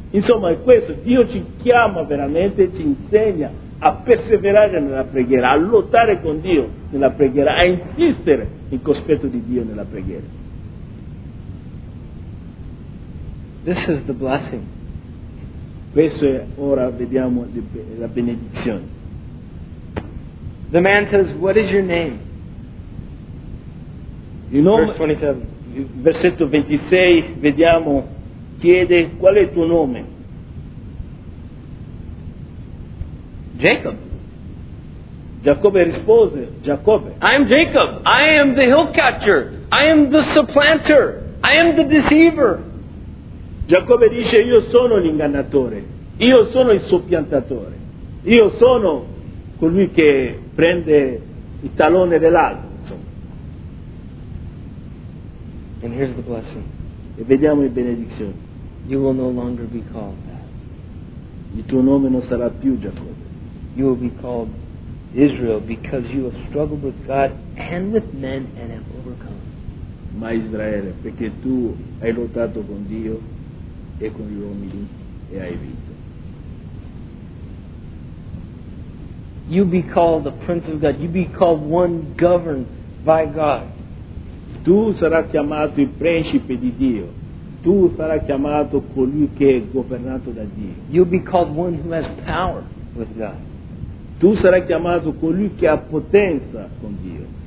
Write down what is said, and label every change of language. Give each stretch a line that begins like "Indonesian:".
Italian: Insomma, è questo, Dio ci chiama veramente, ci insegna a perseverare nella preghiera, a lottare con Dio nella preghiera, a insistere in cospetto di Dio nella preghiera.
English: This is the blessing.
Italian: Questo è, ora vediamo la benedizione.
English: The man says, what is your name? You know, verse 27.
Italian: Versetto 26, vediamo, chiede, qual è il tuo nome?
English: Jacob.
Italian: Giacobbe rispose, Giacobbe.
English: I am Jacob. I am the hill catcher. I am the supplanter. I am the deceiver.
Italian: Giacobbe dice, io sono l'ingannatore. Io sono il soppiantatore. Io sono colui che prende il tallone dell'altro.
English: And here's the blessing.
Italian: E vediamo le benedizioni.
English: You will no longer be called that.
Italian: Il tuo nome non sarà più Giacobbe.
English: You will be called Israel because you have struggled with God and with men and have overcome.
Italian: Ma Israele, perché tu hai lottato con Dio e con gli uomini e hai vinto.
English: You be called the Prince of God. You be called one governed by God.
Italian: Tu sarai chiamato il principe di Dio. Tu sarai chiamato colui che è governato da Dio.
English: You'll be called one who has power with God.
Italian: Tu sarai chiamato colui che ha potenza con Dio.